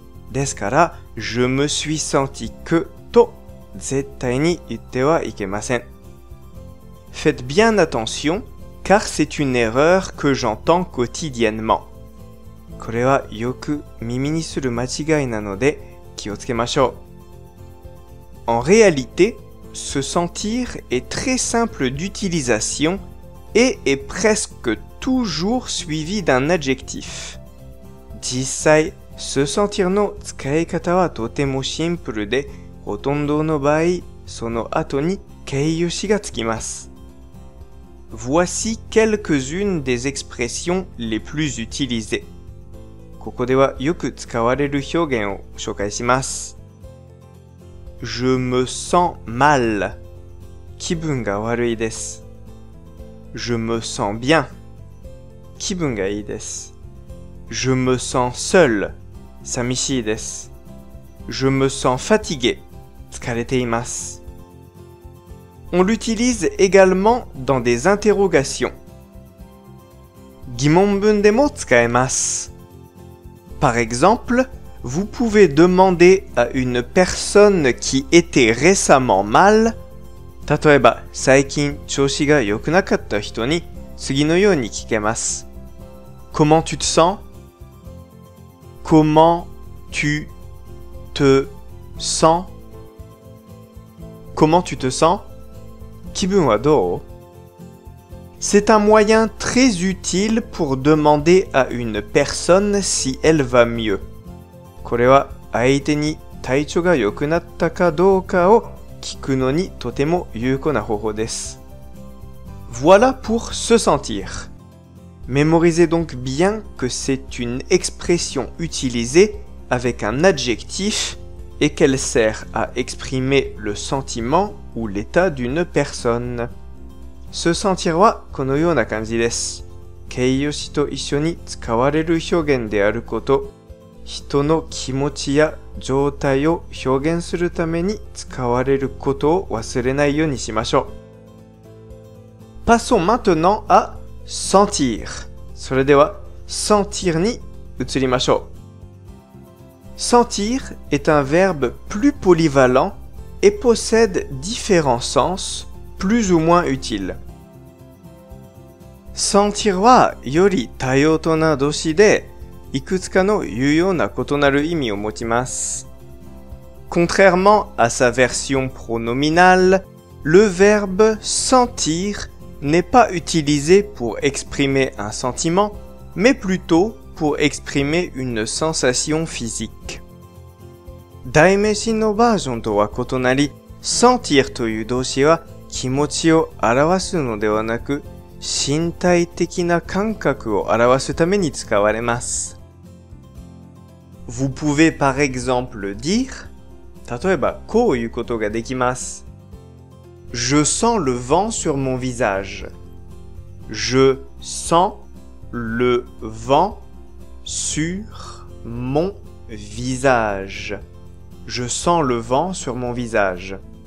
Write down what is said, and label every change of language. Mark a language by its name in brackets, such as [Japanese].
[Japanese] ですから、 [French] je me suis senti que [Japanese] と絶対に言ってはいけません。 [French] Faites bien attention, car c'est une erreur que j'entends quotidiennement. [Japanese] これはよく耳にする間違いなので気をつけましょう。 [French] En réalité, se sentir est très simple d'utilisation et est presque toujours suivi d'un adjectif. [Japanese] 実際、Se sentir の使い方はとてもシンプルで、ほとんどの場合、その後に形容詞がつきます。 [French] Voici quelques-unes des expressions les plus utilisées. [Japanese] ここではよく使われる表現を紹介します。 [French] Je me sens mal. [Japanese] 気分が悪いです。 [French] Je me sens bien. [Japanese] 気分がいいです。 [French] Je me sens seul. [Japanese] 寂しいです。 [French] Je me sens fatigué. [Japanese] 疲れています。 [French] On l'utilise également dans des interrogations. [Japanese] 疑問文でも使えます。 [French] Par exemple, vous pouvez demander à une personne qui était récemment mal. [Japanese] 例えば、最近調子が良くなかった人に次のように聞けます。 [French] Comment tu te sens? Comment tu te sens? Comment tu te sens? [Japanese] 気分はどう? [French] C'est un moyen très utile pour demander à une personne si elle va mieux. [Japanese] これは相手に体調が良くなったかどうかを聞くのにとても有効な方法です。 [French] Voilà pour se sentir. Mémorisez donc bien que c'est une expression utilisée avec un adjectif et qu'elle sert à exprimer le sentiment ou l'état d'une personne. [Japanese] Se sentir はこのような感じです。形容詞と一緒に使われる表現であること、人の気持ちや状態を表現するために使われることを忘れないようにしましょう。 [French] Passons maintenant à sentir. [Japanese] それでは、sentir に移りましょう。 [French] Sentir est un verbe plus polyvalent et possède différents sens plus ou moins utiles. [Japanese] Sentir はより多様とな動詞で、いくつかの有用な異なる意味を持ちます。 [French] Contrairement à sa version pronominale, le verbe sentir n'est pas utilisé pour exprimer un sentiment, mais plutôt pour exprimer une sensation physique. [Japanese] 代名詞のバージョンとは異なり、sentir という動詞は気持ちを表すのではなく、身体的な感覚を表すために使われます。 [French] Vous pouvez par exemple dire, [Japanese] 例えばこう言うことができます。 [French] Je sens le vent sur mon visage. Je sens le vent sur mon visage. Je sens le vent sur mon visage.